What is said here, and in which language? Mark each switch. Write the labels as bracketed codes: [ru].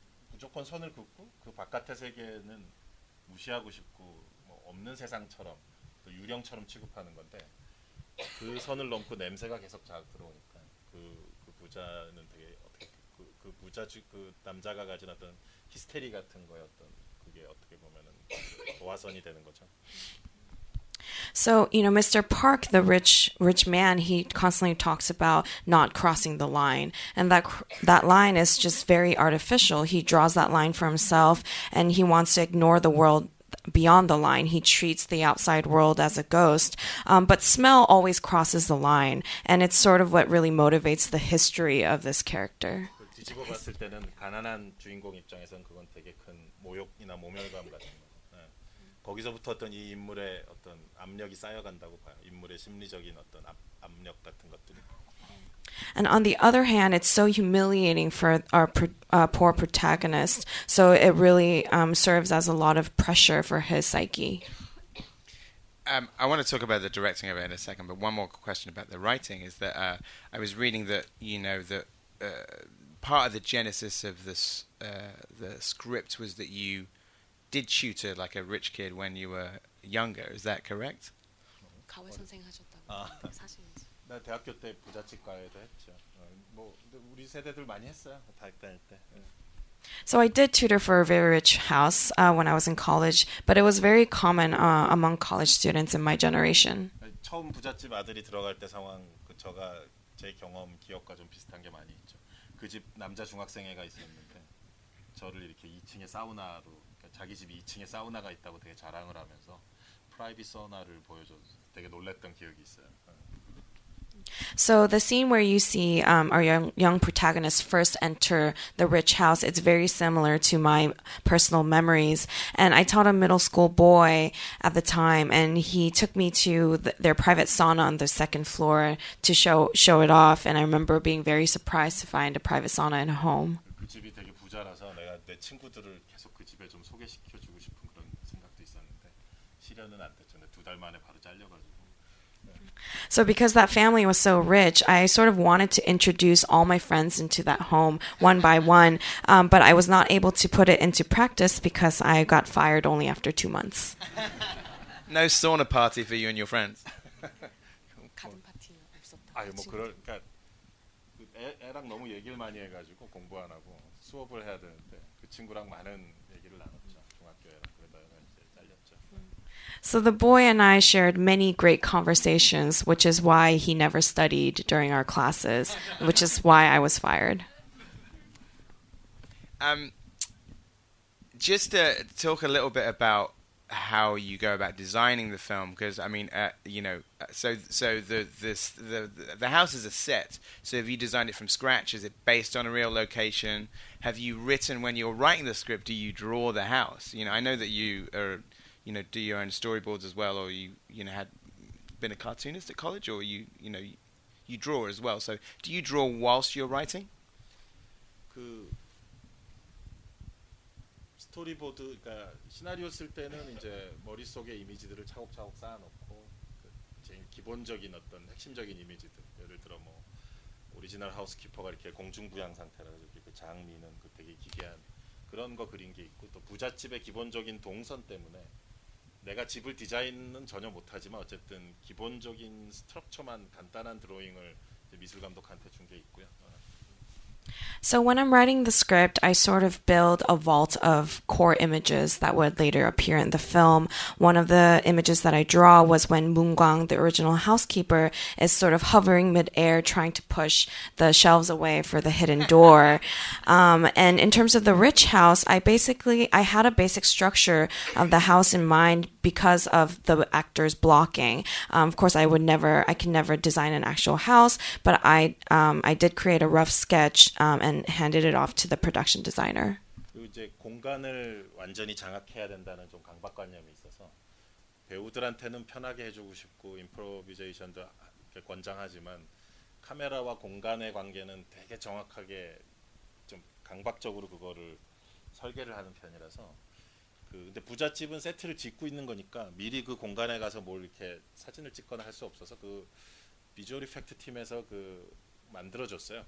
[ko] 무조건 선을 긋고 그 바깥의 세계는 무시하고 싶고 뭐 없는 세상처럼 또 유령처럼 취급하는 건데 그 선을 넘고 냄새가 계속 잘 들어오니까 그 부자는 되게 어떻게 그 부자 그 남자가 가진 어떤 히스테리 같은 거에 어떤 그게 어떻게 보면은 도화선이 되는 거죠. [en] So, you know, Mr. Park, the rich man, he constantly talks about not crossing the line. And that line is just very artificial. He draws that line for himself and he wants to ignore the world beyond the line. He treats the outside world as a ghost. But smell always crosses the line. And it's sort of what really motivates the history of this character. [ko] 뒤집어 봤을 때는 가난한 주인공 입장에서는 그건 되게 큰 모욕이나 모멸감 같은 거. 거기서부터 어떤 이 인물의 어떤 압력이 쌓여간다고 봐요. 인물의 심리적인 어떤 압력 같은 것들이. [en] And on the other hand, it's so humiliating for our poor protagonist. So it really serves as a lot of pressure for his psyche. I want to talk about the directing of it in a second, but one more question about the writing is that I was reading that, you know, that part of the genesis of this the script was that you did tutor like a rich kid when you were younger. Is that correct? [ko] 가외 선생 하셨다고. 사실. 나 대학교 때 부잣집 가외도 했죠. 뭐 우리 세대들 많이 했어요. 대학 다닐 때. [en] So I did tutor for a very rich house when I was in college, but it was very common among college students in my generation. [ko] 처음 부잣집 아들이 들어갈 때 상황 그 저가 제 경험 기억과 좀 비슷한 게 많이 있죠. 그 집 남자 중학생애가 있었는데 저를 이렇게 2층에 사우나로 자기 집 2층에 사우나가 있다고 되게 자랑을 하면서 프라이빗 사우나를 보여줘서 되게 놀랐던 기억이 있어요. [en] So the scene where you see our young protagonist first enter the rich house, it's very similar to my personal memories. And I taught a middle school boy at the time, and he took me to their private sauna on the second floor to show it off. And I remember being very surprised to find a private sauna in a home. [ko] 그 집이 되게 부자라서 내가 내 친구들을 계속 그 집에 좀 소개시켜주고 싶은 그런 생각도 있었는데 실현은 안 됐죠. 두 달 만에 바로 잘려가지고. [en] So because that family was so rich, I sort of wanted to introduce all my friends into that home one by one, but I was not able to put it into practice because I got fired only after 2 months. No sauna party for you and your friends. [ko] 가든 파티는 없었다. 아니 뭐 그러니까 애랑 너무 얘기를 많이 해가지고 공부 안 하고 수업을 해야 되는데 그 친구랑 많은 얘기를 나눴죠. 중학교에랑 그러다가 이제 잘렸죠. [en] So the boy and I shared many great conversations, which is why he never studied during our classes, which is why I was fired. Just to talk a little bit about how you go about designing the film, because I mean, you know, so the house is a set. So have you designed it from scratch? Is it based on a real location? Have you written, when you're writing the script, do you draw the house? You know, I know that you are, you know, do your own storyboards as well, or you know had been a cartoonist at college, or you know you draw as well. So do you draw whilst you're writing? [ko] 그 스토리보드 그러니까 시나리오 쓸 때는 이제 머릿속에 이미지들을 차곡차곡 쌓아놓고 그 제일 기본적인 어떤 핵심적인 이미지들 예를 들어 뭐 오리지널 하우스키퍼가 이렇게 공중부양 상태라 가지고 그 장미는 그 되게 기괴한 그런 거 그린 게 있고 또 부잣집의 기본적인 동선 때문에 내가 집을 디자인은 전혀 못하지만 어쨌든 기본적인 스트럭처만 간단한 드로잉을 이제 미술 감독한테 준 게 있고요. [en] So when I'm writing the script, I sort of build a vault of core images that would later appear in the film. One of the images that I draw was when Moon Gwang, the original housekeeper, is sort of hovering midair trying to push the shelves away for the hidden door. And in terms of the rich house, I had a basic structure of the house in mind because of the actors blocking. Of course, I can never design an actual house, but I did create a rough sketch and handed it off to the production designer. [ko] 이제 공간을 완전히 장악해야 된다는 좀 강박관념이 있어서 배우들한테는 편하게 해주고 싶고 임프로비제이션도 권장하지만 카메라와 공간의 관계는 되게 정확하게 좀 강박적으로 그거를 설계를 하는 편이라서 근데 부잣집은 세트를 짓고 있는 거니까 미리 그 공간에 가서 뭘 이렇게 사진을 찍거나 할 수 없어서 그 비주얼 이펙트 팀에서 그 만들어줬어요.